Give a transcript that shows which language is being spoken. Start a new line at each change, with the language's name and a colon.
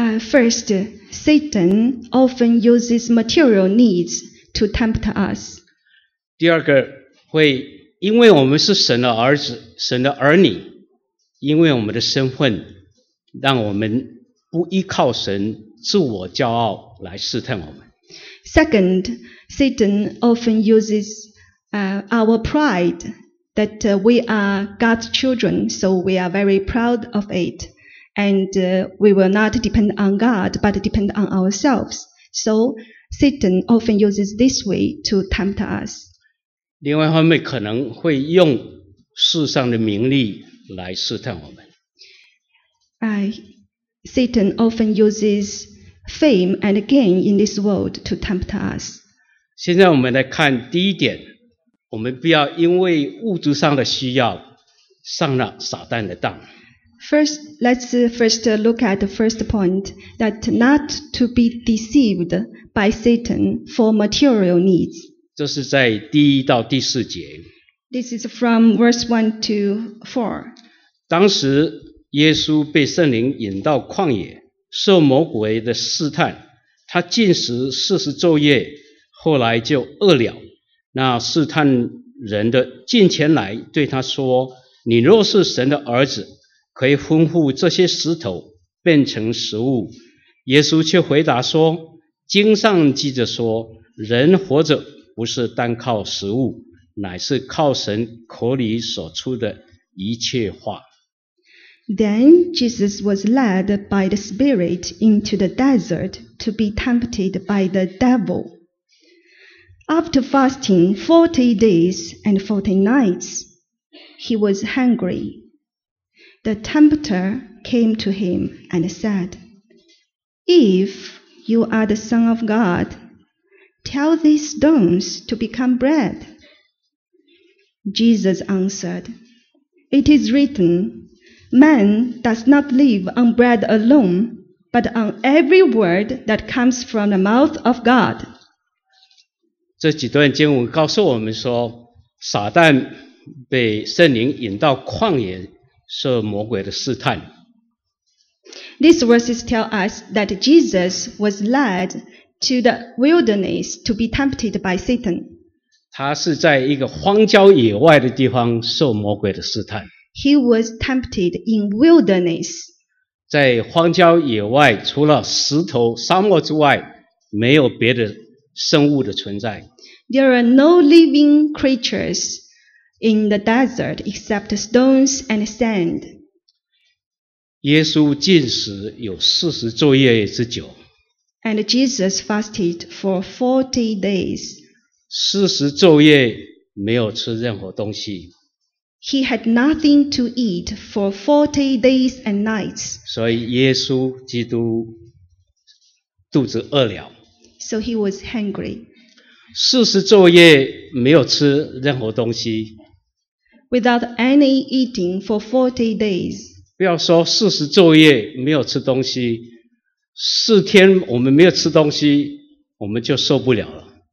English: First, Satan often uses material needs to tempt us.
Chinese: 第二个，会因为我们是神的儿子、神的儿女，因为我们的身份，让我们不依靠神、自我骄傲来试探我们。
English: Second, Satan often uses our pride that we are God's children, so we are very proud of it. And we will not depend on God, but depend on ourselves. So Satan often uses this way to tempt us.
Chinese: 另外一方面可能会用世上的名利来试探我们。
English: Satan often uses fame and gain in this world to tempt us.
Chinese: 现在我们来看第一点，我们不要因为物质上的需要上了撒旦的当。
English: First, let's first look at the first point, that not to be deceived by Satan for material needs.
Chinese: 这是在第一到第四节。
English: This is from verse 1 to 4.
Chinese: 当时耶稣被圣灵引到旷野，受魔鬼的试探，他禁食40昼夜，后来就饿了。那试探人的近前来对他说，你若是神的儿子，可以吩咐这些石头变成食物。耶稣却回答说，经上记着说，人活着不是单靠食物，乃是靠神口里所出的一切话。
English: Then Jesus was led by the Spirit into the desert to be tempted by the devil. After fasting 40 days and 40 nights, he was hungry. The tempter came to him and said, If you are the Son of God, tell these stones to become bread. Jesus answered, It is written, Man does not live on bread alone, but on every word that comes from the mouth of God.
Chinese: 这几段经文告诉我们说，撒旦被圣灵引到旷野受魔鬼的试探。
English: These verses tell us that Jesus was led to the wilderness to be tempted by Satan.
Chinese: 他是在一个荒郊野外的地方受魔鬼的试探。
English: He was tempted in wilderness.
Chinese: 在荒郊野外，除了石头、沙漠之外，没有别的生物的存在。
English: There are no living creatures. In the desert, except stones and sand.
Chinese: 耶稣禁食有四十昼夜之久。
English: And Jesus fasted for 40 days.
Chinese: 四十昼夜没有吃任何东西。
English: He had nothing to eat for 40 days and nights.
Chinese: 所以耶稣基督肚子饿了。
English: So he was hungry.
Chinese: 四十昼夜没有吃任何东西。
English: Without any eating for 40 days.
Chinese: 不要说四十昼夜没有吃东西，四天我们没有吃东西，我们就受不了了。